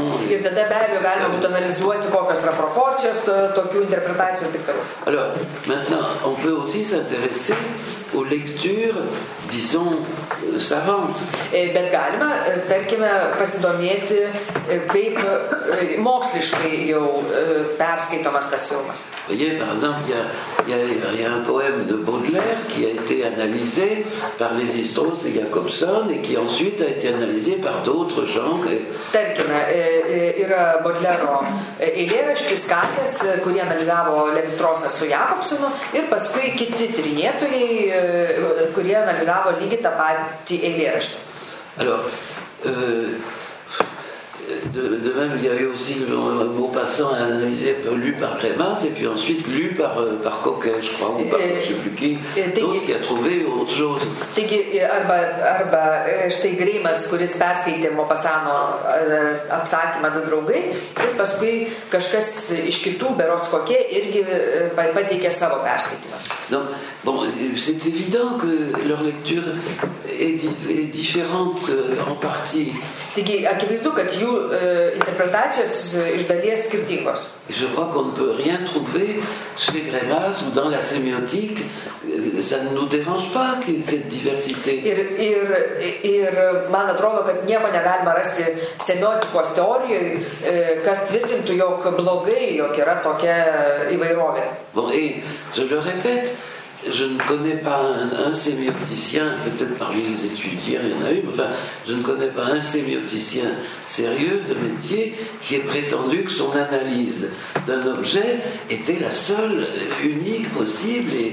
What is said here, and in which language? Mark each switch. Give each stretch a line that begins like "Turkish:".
Lithuanian: Ir tada be abejo galima būtų analizuoti, kokios yra proporcijos tokių interpretacijų ir taip toliau.
French: Alors, maintenant, on peut aussi s'intéresser aux lectures, disons, savantes.
Lithuanian: Bet galima, tarkime, pasidomėti, kaip moksliškai jau perskaitomas tas filmas.
French: Voyez, par exemple, il y a un poème de Baudelaire qui a été analysé par Lévi-Strauss et Jacobson et qui ensuite a été analysé par d'autres gens.
Lithuanian: Tarkime, yra Baudelaire'o eilėraštis Katės, kurį analizavo Lévi-Straussas su Jacobsonu ir paskui kiti tyrinėtojai, kurie analizavo lygiai tą patį eilėraštį.
French: Alors, de même, il y a eu aussi Maupassant analysé, lu par Prémas et puis ensuite lu par Coquet, je crois, ou par je ne sais plus qui, d'autres qui a trouvé autre chose.
Lithuanian: Taigi, arba štai Grimas, kuris perskaitė Maupassant'o apsakymą du draugai, ir paskui kažkas iš kitų, berods Coquet, irgi pateikė savo perskaitymą.
French: Donc, bon, c'est évident que leur lecture est différente en partie.
Lithuanian: Taigi, akivaizdu, kad jų interpretacijos iš dalies skirtingos.
French: Je crois qu'on ne peut rien trouver chez Grémas ou dans la sémiotique. Ça ne nous dérange pas que cette diversité.
Lithuanian: Ir man atrodo, kad nieko negalima rasti semiotikos teorijoje, kas tvirtintų, jog blogai, jog yra tokia įvairovė.
French: Bon, et je le répète, je ne connais pas un sémioticien, peut-être parmi les étudiants, il y en a eu, mais enfin, je ne connais pas un sémioticien sérieux de métier qui ait prétendu que son analyse d'un objet était la seule, unique, possible